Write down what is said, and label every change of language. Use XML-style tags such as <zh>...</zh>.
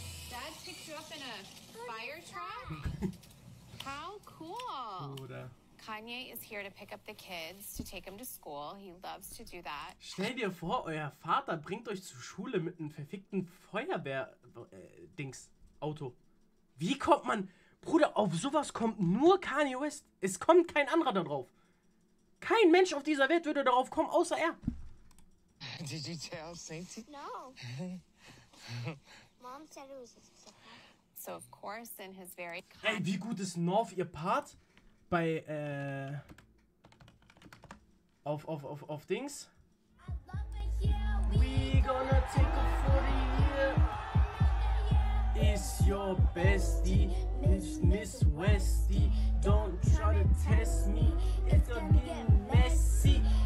<en>Dad picked you up in a fire truck? How cool.</en> <de>Bruder.</de> <en>Kanye is here to pick up the kids, to take them to school. He loves to do that.</en> <de>Stell dir vor, euer Vater bringt euch zur Schule mit einem verfickten Feuerwehr-Dings-Auto. Wie kommt man. Bruder, auf sowas kommt nur Kanye West. Es kommt kein anderer darauf. Kein Mensch auf dieser Welt würde darauf kommen, außer er.</de> <en>Did you tell Sainty? No. Mom said it was a surprise. So of course in his very...</en> <de>Ey, wie gut ist North ihr Part bei, auf Dings?</de> <en>We gonna take off for the year. Is your bestie, Miss Westie. Don't try to test me, it's gonna get messy.</en>